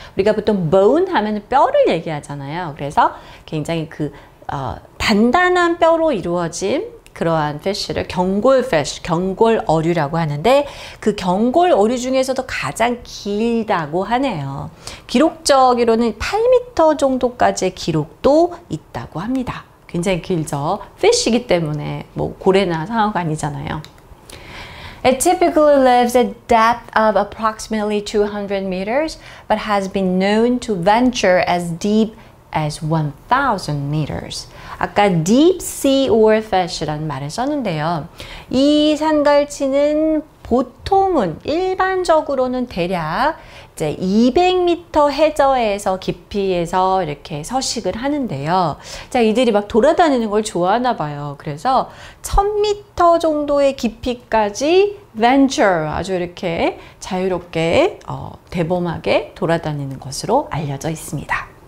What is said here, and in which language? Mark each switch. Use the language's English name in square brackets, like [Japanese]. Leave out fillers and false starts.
[Korean] 우리가 보통 bone 하면 뼈를 얘기하잖아요. 그래서 굉장히 그, 단단한 뼈로 이루어진 그러한 fish를 경골 fish, 경골 어류라고 하는데 그 경골 어류 중에서도 가장 길다고 하네요. 기록적으로는 8m 정도까지의 기록도 있다고 합니다. 굉장히 길죠. fish이기 때문에 뭐 고래나 상어가 아니잖아요. [English] It typically lives at depth of approximately 200 meters but has been known to venture as deep as 1000 meters. [Korean] 아까 deep sea oar fish라는 말을 썼는데요. 이 산갈치는 보통은 일반적으로는 대략 이제 200m 해저에서 깊이에서 이렇게 서식을 하는데요. 자, 이들이 막 돌아다니는 걸 좋아하나 봐요. 그래서 1000m 정도의 깊이까지 venture 아주 이렇게 자유롭게 대범하게 돌아다니는 것으로 알려져 있습니다.